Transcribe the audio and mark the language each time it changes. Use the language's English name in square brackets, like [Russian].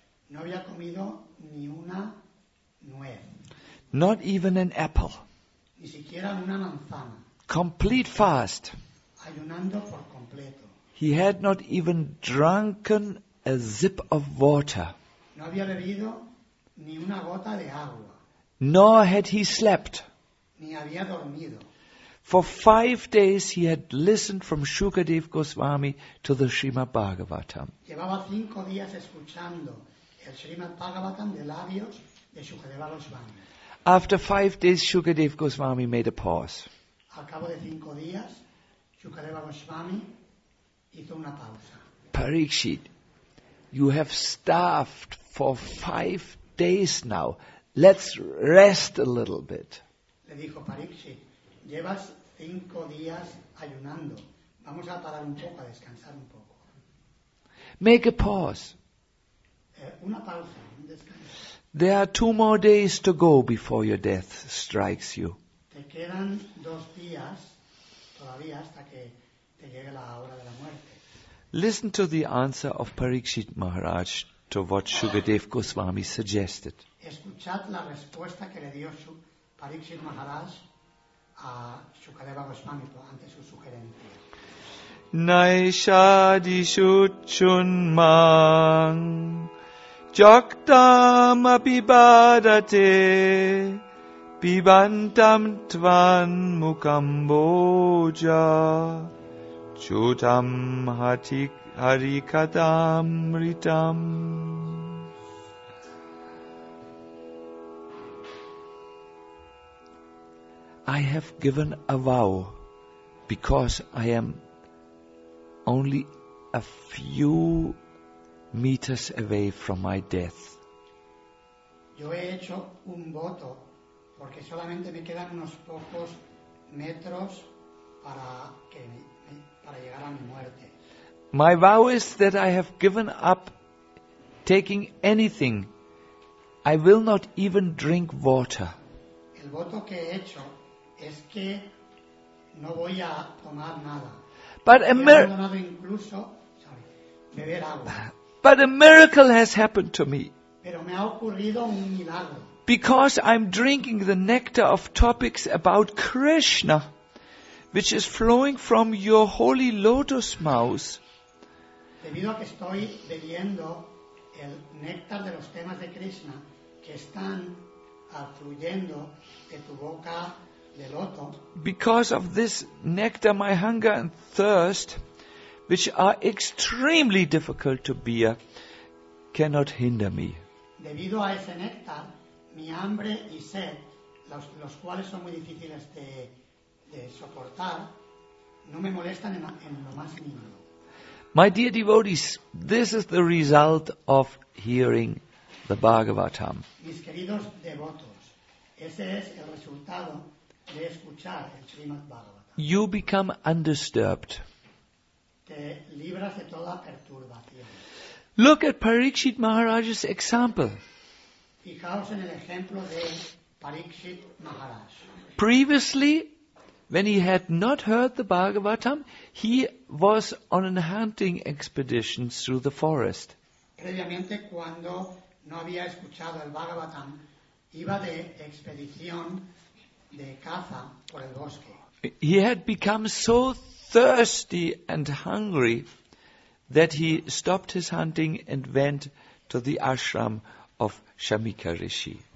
[Spanish] No había comido ni una nuez. [English] Not even an apple. [Spanish] Ni siquiera una manzana. [English] Complete fast. [Spanish] Ayunando por completo. [English] He had not even drunken a sip of water. [Spanish] No había bebido ni una gota de agua. [English] Nor had he slept. [Spanish] Ni había dormido. [English] For 5 days he had listened from Shukadev Goswami to the Srimad Bhagavatam. [Spanish] Llevaba cinco días escuchando el Srimad Bhagavatam de labios de Shukadeva Goswami. [English] After 5 days, Shukadev Goswami made a pause. [Spanish] Al cabo de cinco días, Shukadeva Goswami hizo una pausa. [English] Parikshit, you have starved for 5 days now. Let's rest a little bit. [Spanish] Le dijo Parikshit, llevas cinco días ayunando. Vamos a parar un poco, a descansar un poco. [English] Make a pause. [Spanish] Una pausa, un descanso. [English] There are 2 more days to go before your death strikes you. [Spanish] Te quedan 2 días todavía hasta que te llegue la hora de la muerte. [English] Listen to the answer of Parikshit Maharaj to what Shukadev Goswami suggested. [Spanish] Escuchad la respuesta que le dio Parikshit Maharaj a Shukadeva Goswami ante su sugerencia. [Sanskrit] Naisha dishuchun mang Jaktam apibadate pibantam tvan mukamboja chutam hatik harikatam ritam. [English] I have given a vow because I am only a few meters away from my death. [Spanish] Yo he hecho un voto porque solamente me quedan unos pocos metros para llegar a mi muerte. [English] My vow is that I have given up taking anything. I will not even drink water. [Spanish] El voto que he hecho es que no voy a tomar nada. [English] But [Spanish] beber agua. [English] But a miracle has happened to me. [Spanish] Pero me ha ocurrido un milagro. [English] Because I'm drinking the nectar of topics about Krishna, which is flowing from your holy lotus mouth. [Spanish] Debido a que estoy bebiendo el néctar de los temas de Krishna que están fluyendo de tu boca de loto. [English] Because of this nectar, my hunger and thirst, which are extremely difficult to bear, cannot hinder me. [Spanish] Debido a ese néctar, mi hambre y sed, los cuales son muy difíciles de soportar, no me molestan en lo más mínimo. [English] My dear devotees, this is the result of hearing the Bhagavatam. [Spanish] Mis queridos devotos, ese es el resultado de escuchar el Srimad Bhagavatam. [English] You become undisturbed. [Spanish] Libras de toda perturbación. [English] Look at Parikshit Maharaj's example. [Spanish] Fijaos en el ejemplo de Parikshit Maharaj. [English] Previously, when he had not heard the Bhagavatam, he was on a hunting expedition through the forest. [Spanish] Previamente, cuando no había escuchado el Bhagavatam, iba de expedición de caza por el bosque. [English] He had become so thirsty and hungry that he stopped his hunting and went to the ashram of Shamika Rishi.